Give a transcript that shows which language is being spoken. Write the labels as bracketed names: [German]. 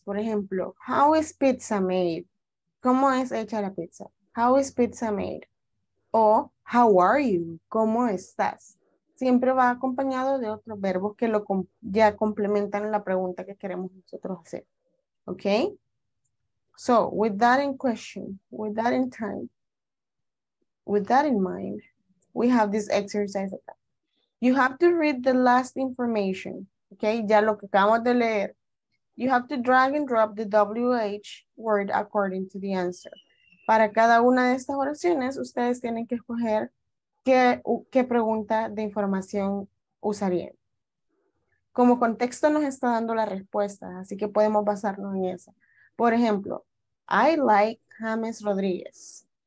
[Spanish] Por ejemplo, [English] how is pizza made? [Spanish] ¿Cómo es hecha la pizza? [English] How is pizza made? O how are you? [Spanish] ¿Cómo estás? Siempre va acompañado de otros verbos que lo ya complementan la pregunta que queremos nosotros hacer. [English] Okay. So, with that in question, with that in time, with that in mind, we have this exercise. You have to read the last information, okay? [Spanish] Ya lo que acabamos de leer. [English] You have to drag and drop the WH word according to the answer. [Spanish] Para cada una de estas oraciones, ustedes tienen que escoger qué pregunta de información usarían. Como contexto nos está dando la respuesta, así que podemos basarnos en esa. Por ejemplo, [English] I like James Rodríguez.